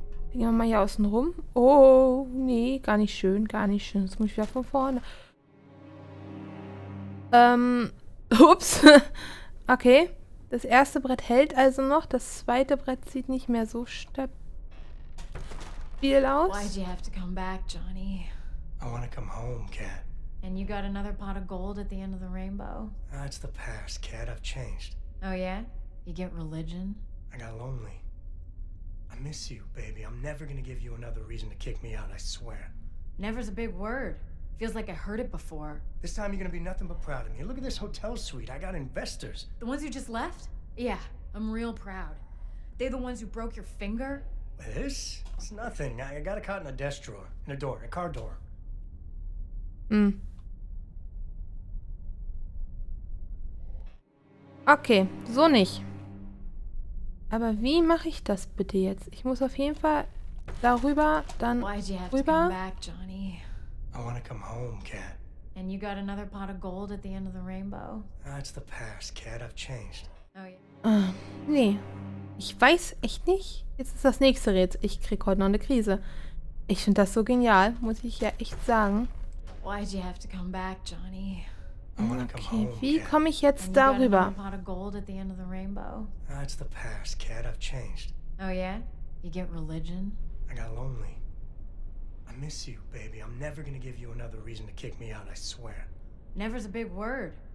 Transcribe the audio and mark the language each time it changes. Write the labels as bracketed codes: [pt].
[de] Gehen wir mal hier außen rum. Oh, nee, gar nicht schön, gar nicht schön. Jetzt muss ich wieder von vorne... ups. Okay. Das erste Brett hält also noch. Das zweite Brett sieht nicht mehr so stabil aus. [en] Why did you have to come back, Johnny? I want to come home, Kat. And you got another pot of gold at the end of the rainbow? That's the past, Kat. I've changed. Oh yeah? You get religion? I got lonely. I miss you, baby. I'm never gonna give you another reason to kick me out, I swear. Never's a big word. Feels like I heard it before. This time you're gonna be nothing but proud of me. Look at this hotel suite. I got investors. The ones you just left? Yeah, I'm real proud. They're the ones who broke your finger? This? It's nothing. I got it caught in a desk drawer. In a door. A car door. Hm. [de] Okay, so nicht. Aber wie mache ich das bitte jetzt? Ich muss auf jeden Fall darüber, dann rüber. [en] I want to come home, Kat. And you got another pot of gold at the end of the rainbow? That's the past, Kat. I've changed. Oh, yeah. [de] Nee. Ich weiß echt nicht. Jetzt ist das nächste Rätsel. Ich krieg heute noch eine Krise. Ich finde das so genial, muss ich ja echt sagen. [en] Why'd you have to come back, Johnny? I want to come home, Kat. [de] Wie komme ich jetzt darüber? [en] And you got another pot of gold at the end of the rainbow? That's the past, Kat. I've changed. Oh, yeah? You get religion? I got lonely. I miss you, baby. I'm never gonna give you another reason to kick me out, I swear. Never's a big word.